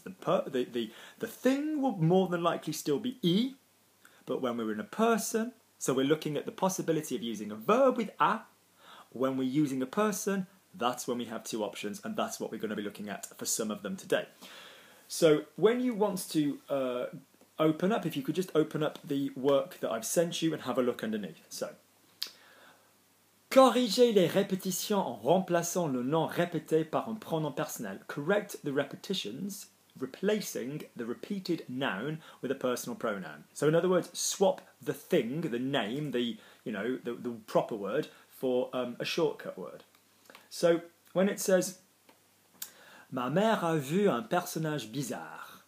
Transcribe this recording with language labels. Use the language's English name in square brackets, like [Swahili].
[English] The thing will more than likely still be E, but when we're in a person, so we're looking at the possibility of using a verb with A, when we're using a person, that's when we have two options and that's what we're going to be looking at for some of them today. So when you want to open up, if you could just open up the work that I've sent you and have a look underneath. [French] So, corriger les répétitions en remplaçant le nom répété par un pronom personnel. [English] Correct the repetitions, replacing the repeated noun with a personal pronoun. So in other words, swap the thing, the name, the, you know, the proper word for a shortcut word. So when it says, [French] ma mère a vu un personnage bizarre.